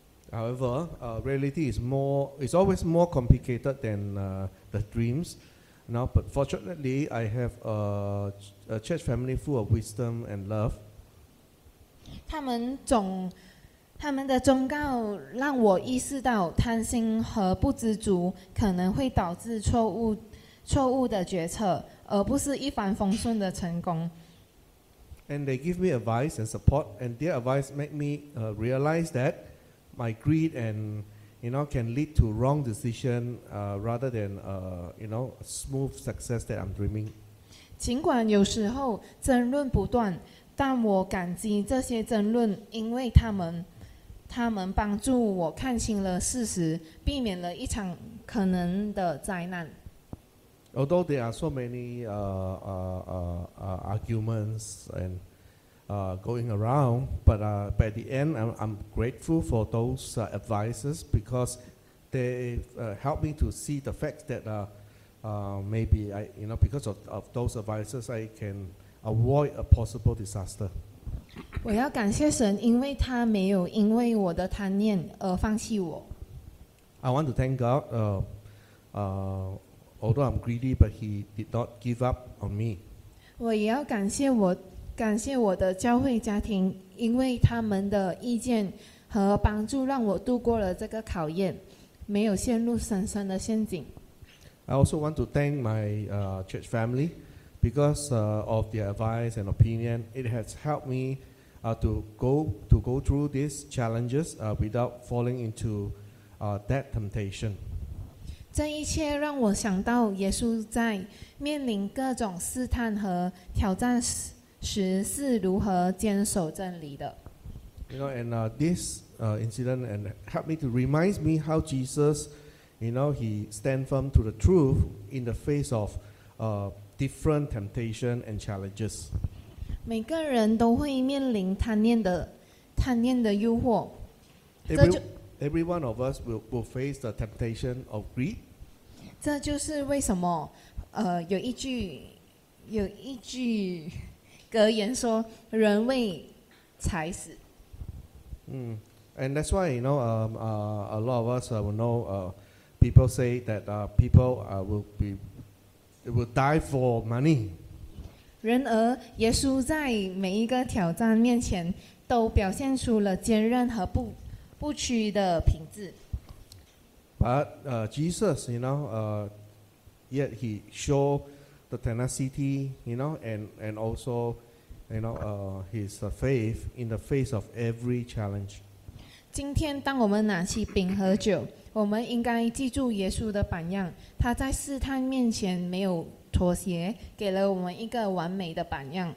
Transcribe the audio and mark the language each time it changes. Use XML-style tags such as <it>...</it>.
<en>However, reality is always more complicated than the dreams. Now, but fortunately, I have a church family full of wisdom and love.</en> <zh>他们的忠告让我意识到，贪心和不知足可能会导致错误的决策，而不是一帆风顺的成功。</zh> <en>And they give me advice and support, and their advice make me realize that my greed and can lead to wrong decision rather than smooth success that I'm dreaming.</en> <zh>尽管有时候争论不断，但我感激这些争论，因为他们帮助我看清了事实，避免了一场可能的灾难。</zh> <en>Although there are so many arguments and going around, but at the end, I'm grateful for those advices because they help me to see the fact that maybe I, because of those advices, I can avoid a possible disaster.</en> <zh>我要感谢神，因为他没有因为我的贪念而放弃我。</zh> <en>I want to thank God. Although I'm greedy, but He did not give up on me.</en> <zh>我也要感谢我的教会家庭，因为他们的意见和帮助让我度过了这个考验，没有陷入深深的陷阱。</zh> <en>I also want to thank my church family because of their advice and opinion. It has helped me to go through these challenges without falling into that temptation.</en> <zh>这一切让我想到耶稣在面临各种试探和挑战时是如何坚守真理的。</zh> <en>This incident and helped me to remind me how Jesus, he stand firm to the truth in the face of different temptation and challenges.</en> <zh>每个人都会面临贪念的诱惑。</zh> <en>Every one of us will face the temptation of greed.</en> <zh>这就是为什么，有一句格言说，人为财死。</zh> <en>And that's why a lot of us will know. People say that people will die for money.</en> <zh>然而，耶稣在每一个挑战面前都表现出了坚韧和不屈的品质。</zh> <en>But Jesus, yet he showed the tenacity, and also, his faith in the face of every challenge.</en> <zh>今天，当我们拿起饼和酒，我们应该记住耶稣的榜样。他在试探面前没有妥协，给了我们一个完美的榜样。</zh>